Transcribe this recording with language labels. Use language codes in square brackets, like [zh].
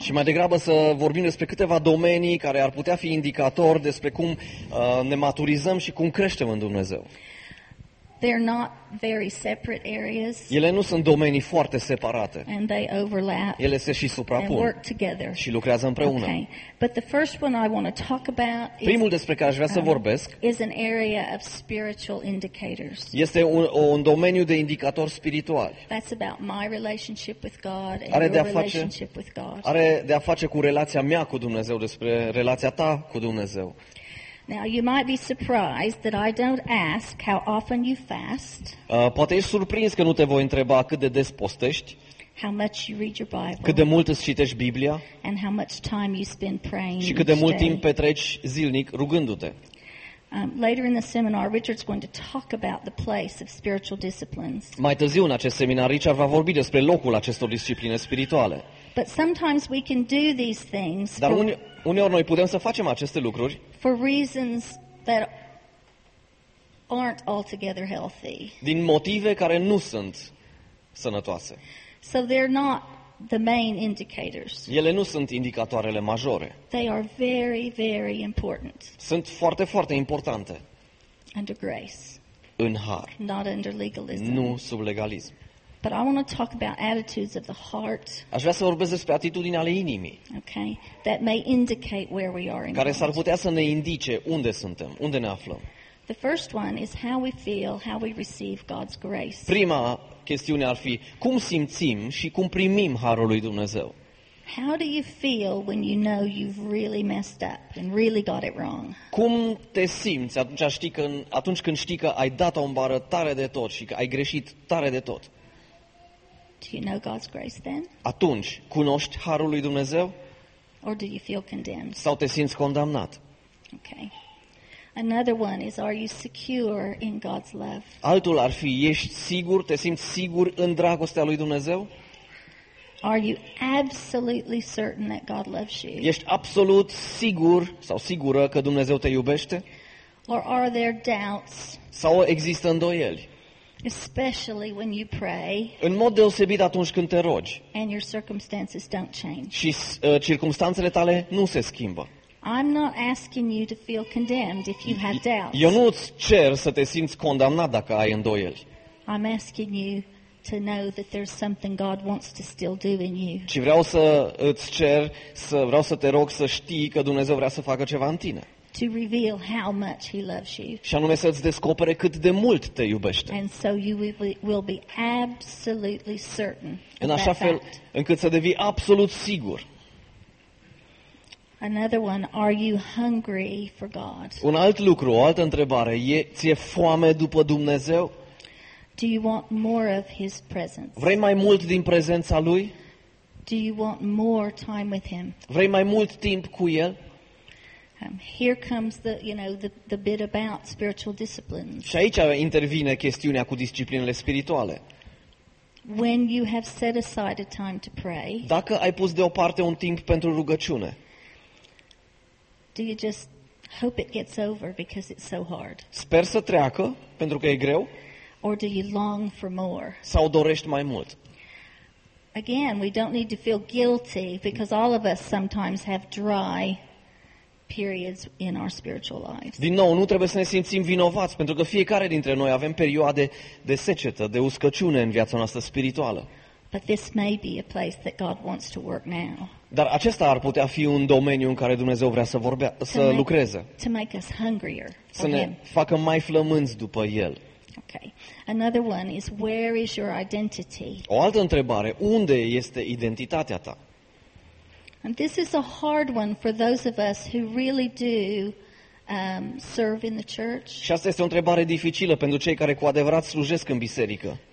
[ro] Și mai degrabă să vorbim despre câteva domenii care ar putea fi indicatori despre cum ne maturizăm și cum creștem în Dumnezeu. [en] They're not very separate areas. [ro] Ele nu sunt domenii foarte separate. [en] And they overlap. [ro] Ele se și suprapun. [en] And work together. [ro] Și lucrează împreună. [en] Okay. But the first one I want to talk about is. [ro] Primul despre care aș vrea să vorbesc. [en] Is an area of spiritual indicators. [ro] Este un domeniu de indicatori spirituali. [en] That's about my relationship with God and your relationship with God. [ro] Are de a face cu relația mea cu Dumnezeu, despre relația ta cu Dumnezeu. [en] Now you might be surprised that I don't ask how often you fast. [ro] Poate ești surprins că nu te voi întreba cât de des postești. [en] How much you read your Bible. [ro] Cât de mult îți citești Biblia. [en] And how much time you spend praying. [ro] Și cât de mult timp petreci zilnic rugându-te. [en] Later in the seminar, Richard's going to talk about the place of spiritual disciplines. [ro] Mai târziu în acest seminar, Richard va vorbi despre locul acestor discipline spirituale. [en] But sometimes we can do these things. [ro] Dar uneori noi putem să facem aceste lucruri. [en] For reasons that aren't altogether healthy. [ro] Din motive care nu sunt sănătoase. [en] So they're not the main indicators. [ro] Ele nu sunt indicatoarele majore. [en] They are very, very important. [ro] Sunt foarte, foarte importante. [en] Under grace. [ro] În har. [en] Not under legalism. [ro] Nu sub legalism. [en] But I want to talk about attitudes of the heart. [ro] Aș vrea să vorbesc despre atitudinea ale inimii. [en] Okay. That may indicate where we are in. [ro] Care s-ar putea să ne indice unde suntem, unde ne aflăm. [en] The first one is how we feel, how we receive God's grace. [ro] Prima chestiune ar fi cum simțim și cum primim harul lui Dumnezeu. [en] How do you feel when you know you've really messed up and really got it wrong? [ro] Cum te simți atunci când știi că ai dat o îmbară tare de tot și că ai greșit tare de tot? [en] Do you know God's grace then? [ro] Atunci, cunoști harul lui Dumnezeu? [en] Or do you feel condemned? [ro] Sau te simți condamnat? [en] Okay. Another one is, are you secure in God's love? [ro] Altul ar fi, ești sigur, te simți sigur în dragostea lui Dumnezeu? [en] Are you absolutely certain that God loves you? [ro] Ești absolut sigur sau sigură că Dumnezeu te iubește? [en] Or are there doubts? [ro] Sau există îndoieli? [en] Especially when you pray. [ro] În mod deosebit atunci când te rogi. [en] And your circumstances don't change. [ro] Și circumstanțele tale nu se schimbă. [en] I'm not asking you to feel condemned if you have doubts. [ro] Eu nu îți cer să te simți condamnat dacă ai îndoieli. [en] I'm asking you to know that there's something God wants to still do in you. [ro] Și vreau să îți cer, să vreau să te rog să știi că Dumnezeu vrea să facă ceva în tine. [en] To reveal how much he loves you. [ro] Și anume să-ți descopere cât de mult te iubește. [en] And so you will be absolutely certain. [ro] În așa fel încât să devii absolut sigur. [en] Another one, are you hungry for God? [ro] Un alt lucru, o altă întrebare, ți-e foame după Dumnezeu? [en] Do you want more of his presence? [ro] Vrei mai mult din prezența lui? [en] Do you want more time with him? [ro] Vrei mai mult timp cu el? [en] Here comes the, you know, the bit about spiritual disciplines. [ro] Și aici intervine chestiunea cu disciplinele spirituale. [en] When you have set aside a time to pray. [ro] Dacă ai pus deoparte un timp pentru rugăciune. [en] Do you just hope it gets over because it's so hard? [ro] Sper să treacă pentru că e greu. [en] Or do you long for more? [ro] Sau dorești mai mult? [en] Again, we don't need to feel guilty because all of us sometimes have dry periods in our spiritual lives. [ro] Din nou, nu trebuie să ne simțim vinovați, pentru că fiecare dintre noi avem perioade de secetă, de uscăciune în viața noastră spirituală. [en] But this may be a place that God wants to work now. [ro] Dar acesta ar putea fi un domeniu în care Dumnezeu vrea să vorbească, să lucreze. [en] To make us hungrier. [ro] Să ne facă mai flămânzi după el. [en] Okay. Another one is, where is your identity? [ro] O altă întrebare, unde este identitatea ta? [en] And this is a hard one for those of us who really do serve in the church. [ro] Și asta este o întrebare dificilă pentru cei care cu adevărat slujesc în biserică.